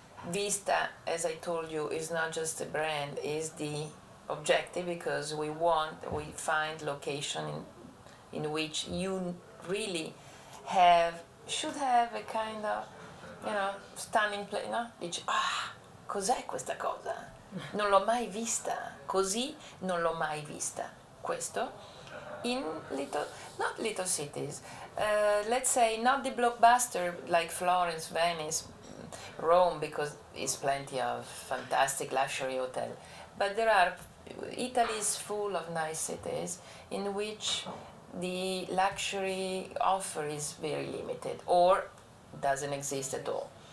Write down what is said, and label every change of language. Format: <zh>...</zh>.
<en>Vista, as I told you, is not just a brand, is the objective, because we find location in which you really should have a kind of, you know, stunning place, no?</en> <it>Dici, ah, cos'è questa cosa? Non l'ho mai vista, così non l'ho mai vista. Questo,</it> <en>in not little cities, let's say not the blockbuster like Florence, Venice, Rome, because it's plenty of fantastic luxury hotel. But there are, Italy is full of nice cities in which the luxury offer is very limited or doesn't exist at all.</en>